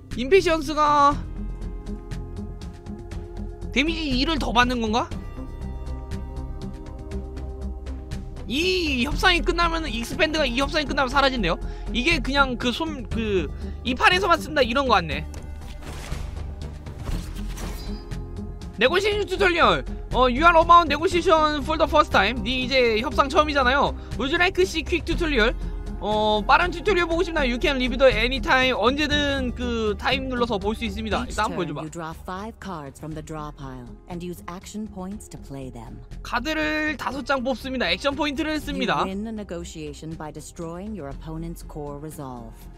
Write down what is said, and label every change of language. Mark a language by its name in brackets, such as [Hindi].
[Korean] 인베시언스가 데미지 2를 더 받는 건가? 이 협상이 끝나면, 익스펜드가 이 협상이 끝나면 사라진대요. 이게 그냥 그 손, 그 이팔에서만 쓴다 이런 거 같네. 네고시션 튜토리얼. [English] 어, you are about negotiation for the first time. [Korean] 니 이제 협상 처음이잖아요. [English] Would you like to see quick tutorial? 어, [Korean] 빠른 튜토리얼 보고 싶나요? [English] You can leave it anytime. [Korean] 언제든 그 타임 눌러서 볼 수 있습니다. 일단 보여줘봐. [English] You draw 5 cards from the draw pile and use action points to play them. [Korean] 카드를 5장 뽑습니다. 액션 포인트를 씁니다. [English] You win the negotiation by destroying your opponent's core resolve.